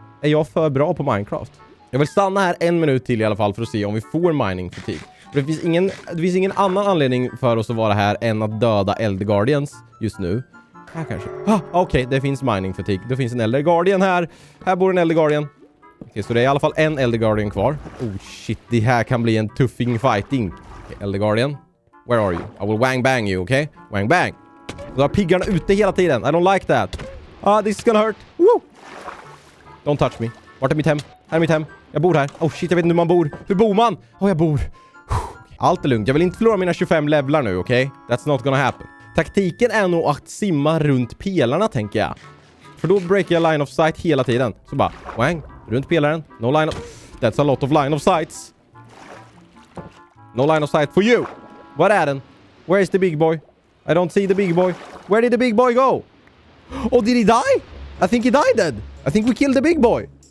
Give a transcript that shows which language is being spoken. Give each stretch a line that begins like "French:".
Swedish: Är jag för bra på Minecraft? Jag vill stanna här en minut till i alla fall för att se om vi får mining fatigue. För det finns ingen annan anledning för oss att vara här än att döda Elder Guardians just nu. Här kanske. Ah, okej, det finns mining fatigue. Det finns en Elder Guardian här. Här bor en Elder Guardian. Okej, så det är i alla fall en Elder Guardian kvar. Oh shit, det här kan bli en tuffing fighting.
English: Okay, Elder Guardian, where are you? I will wang bang you, okay?
Swedish: Wang bang! Då har piggarna ute hela tiden.
English: I don't like that. Ah, this is gonna hurt. Woo! Don't touch me.
Swedish: Vart är mitt hem? Här är mitt hem. Jag bor här. Oh shit, jag vet inte hur man bor. Hur bor man? Oh, jag bor. Allt är lugnt. Jag vill inte förlora mina 25 levlar nu, okej?
English: Okay? That's not gonna happen.
Swedish: Taktiken är nog att simma runt pelarna, tänker jag. För då breakar jag line of sight hela tiden. Så bara, wang. Runt pelaren.
English: No line of... That's a lot of line of sights. No line of sight for you.
Swedish: Var är den?
English: Where is the big boy? I don't see the big boy. Where did the big boy go? Oh, did he die? I think he died dead. I think we killed the big boy.